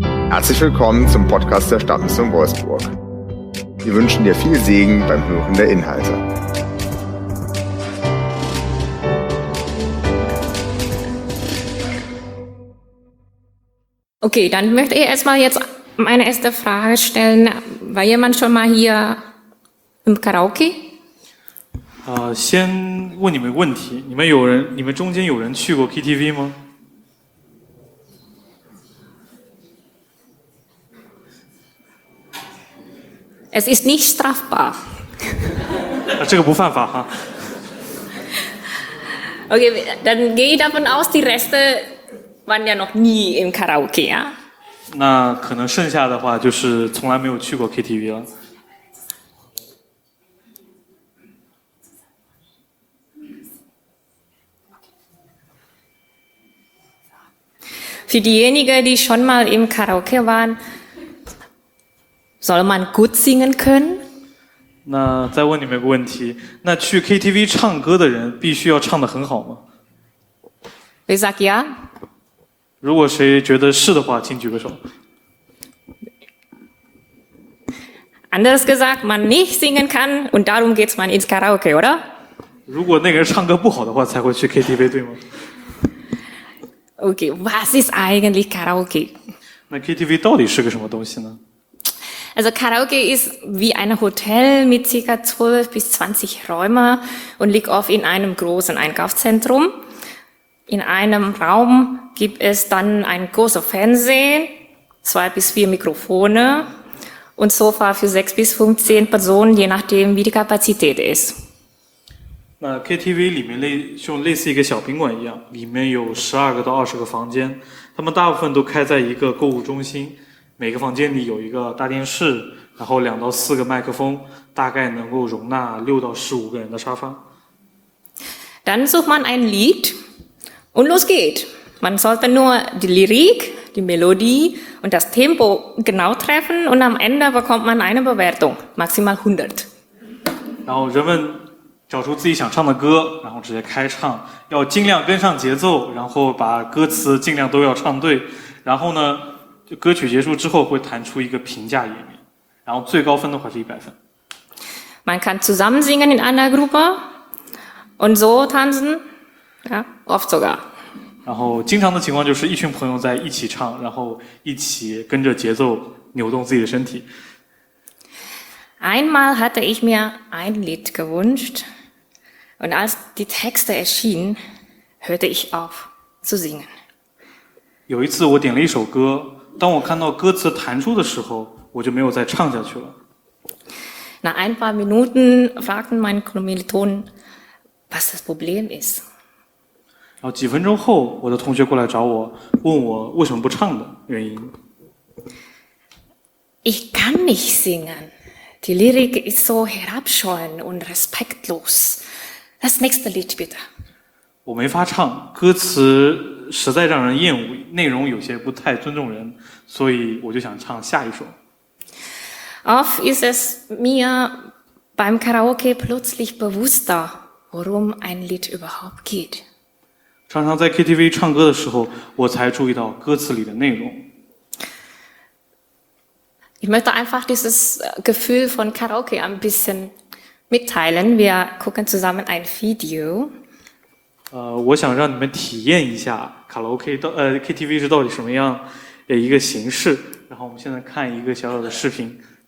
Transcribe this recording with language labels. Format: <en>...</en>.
<de>Herzlich willkommen zum Podcast der Stadtmission Wolfsburg. Wir wünschen dir viel Segen beim Hören der Inhalte. Okay, dann möchte ich erstmal jetzt meine erste Frage stellen. War jemand schon mal hier im Karaoke?</de> <zh>先问你们问题，你们中间有人去过 KTV 吗？</zh> <de>Es ist nicht strafbar.</de> <zh>这个不犯法哈。</zh> <de>Okay, dann gehe ich davon aus, die Reste waren ja noch nie im Karaoke, ja?</de> <zh>那可能剩下的话就是从来没有去过 KTV 了。</zh> <de>Für diejenigen, die schon mal im Karaoke waren,Soll man gut singen können?</de> <zh>那再问你们一个问题，那去 KTV 唱歌的人必须要唱得很好吗</zh> <de>？Wer sagt ja?</de> <zh>如果谁觉得是的话，请举个手。</zh> <de>Anders gesagt, man nicht singen kann und darum geht man ins Karaoke, oder?</de> <zh>如果那个人唱歌不好的话，才会去 KTV, 对吗</zh> <de>？Okay, was ist eigentlich Karaoke?</de> <zh>那 KTV 到底是个什么东西呢？</zh> <de>Also Karaoke ist wie ein Hotel mit ca. 12 bis 20 Räumen und liegt oft in einem großen Einkaufszentrum. In einem Raum gibt es dann ein großes Fernsehen, 2 bis 4 Mikrofone und Sofa für 6 bis 15 Personen, je nachdem wie die Kapazität ist.</de> <zh>Na, KTV 里面类似一个小宾馆一样，里面有12到20个房间，他们大部分都开在一个购物中心。每个房间里有一个大电视，然后2到4个麦克风，大概能够容纳6到15个人的沙发。</zh> <de>Dann sucht man ein Lied und los geht. Man sollte nur die Lyrik, die Melodie und das Tempo genau treffen und am Ende bekommt man eine Bewertung, maximal 100.</de> <zh>然后人们找出自己想唱的歌，然后直接开唱，要尽量跟上节奏，然后把歌词尽量都要唱对，然后呢？就歌曲结束之后会弹出一个评价页面，然后最高分的话是100分。</zh> <de>Man kann zusammen singen in einer Gruppe und so tanzen, ja, oft sogar.</de> <zh>然后经常的情况就是一群朋友在一起唱，然后一起跟着节奏扭动自己的身体。</zh> <de>Einmal hatte ich mir ein Lied gewünscht und als die Texte erschienen, hörte ich auf zu singen.</de> <zh>有一次我点了一首歌。当我看到歌词弹出的时候，我就没有再唱下去了。</zh> <de>Nach ein paar Minuten fragten mein Kommiliton, was das Problem ist.</de> <zh>然后几分钟后，我的同学过来找我，问我为什么不唱的原因。</zh> <de>Ich kann nicht singen. Die Lyrik ist so herabschauend und respektlos. Das nächste Lied bitte.</de> <zh>我没法唱，歌词。实在让人厌恶，内容有些不太尊重人，所以我就想唱下一首。</zh> <de>Oft ist es mir beim Karaoke plötzlich bewusster, worum ein Lied überhaupt geht.</de> <zh>常常在 KTV 唱歌的时候，我才注意到歌词里的内容。</zh> <de>Ich möchte einfach dieses Gefühl von Karaoke ein bisschen mitteilen. Wir gucken zusammen ein Video.</de> <zh>我想让你们体验一下卡拉 OK 到KTV 是到底什么样的一个形式。然后我们现在看一个小小的视频。</zh>